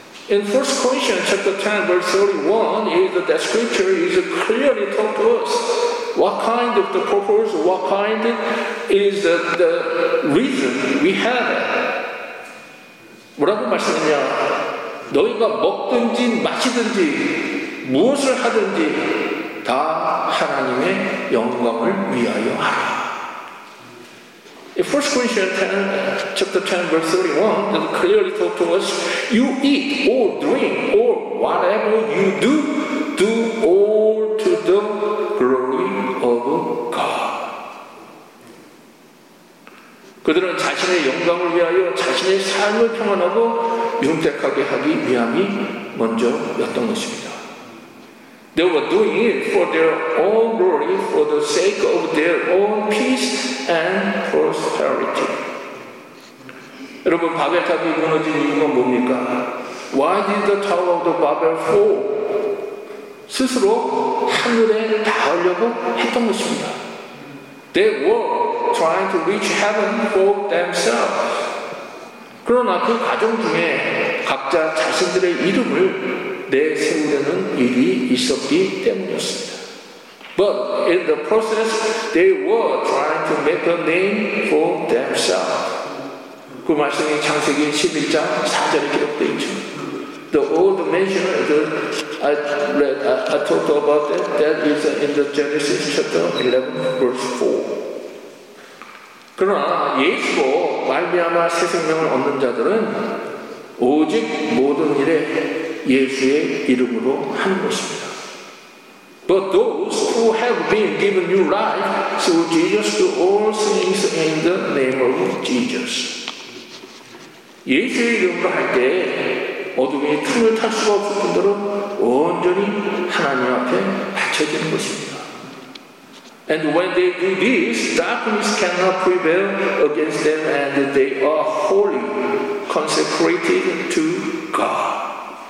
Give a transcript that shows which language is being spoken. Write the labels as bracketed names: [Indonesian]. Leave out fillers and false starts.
[English] In 1 Corinthians chapter 10 verse 31 is the scripture is clearly taught to us what kind of the purpose, what kind is the reason we have. [Korean] 뭐라고 말씀했냐? 너희가 먹든지 마시든지 무엇을 하든지 다 하나님의 영광을 위하여 하라. [English] In 1 Corinthians 10, chapter 10, verse 31, it clearly talks to us, you eat or drink or whatever you do, do all to the glory of God. [Korean] 자신의 영광을 위하여 자신의 삶을 평안하고 윤택하게 하기 위함이 먼저였던 것입니다. [English] They were doing it for their own glory, for the sake of their own peace and prosperity. [Korean] 여러분, 바벨탑이 무너진 이유가 뭡니까? [English] Why did the Tower of the Babel fall? [Korean] 스스로 하늘에 닿으려고 했던 것입니다. [English] They were trying to reach heaven for themselves. [Korean] 그러나 그 과정 중에 각자 자신들의 이름을 내세우려는 일이 있었기 때문이었습니다. [English] But in the process, they were trying to make a name for themselves. [Korean] 그 말씀이 창세기 11장 4절에 기록되어 있죠. [English] The old mention, I talked about it, that is in the Genesis chapter 11, verse 4. [Korean] 그러나 예수로 말미암아 새 생명을 얻는 자들은 오직 모든 일에 예수의 이름으로 하는 것입니다. [English] But those who have been given new life through Jesus do all things in the name of Jesus. [Korean] 예수의 이름으로 할 때 어둠이 틈을 탈 수가 없을 뿐더러 온전히 하나님 앞에 바쳐지는 것입니다. [English] And when they do this, darkness cannot prevail against them and they are holy, consecrated to God.